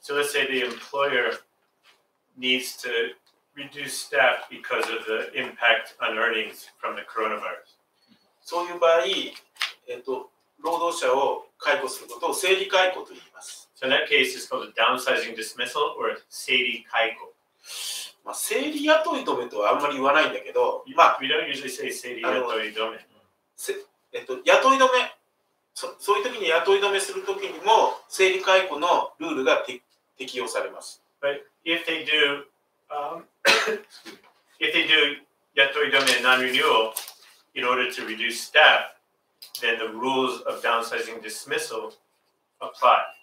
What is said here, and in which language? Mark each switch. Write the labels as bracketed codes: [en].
[en] So let's say the employer needs to reduce staff because of the impact on earnings from the coronavirus. [ja] そういう場合、労働者を解雇することを整理解雇と言います。 [en] So in that case, it's called a downsizing dismissal or 整理解雇。 [ja] まあ、整理雇い止めとはあんまり言わないんだけど、 [en] you, [ja] まあ、 [en] we don't usually say 整理雇い止め。 [ja] 雇い止め、そういう時に雇い止めする時にも整理解雇のルールが適用されます。 [en] But if they do, if they do 雇い止め non-renewal in order to reduce staff, then the rules of downsizing dismissal apply.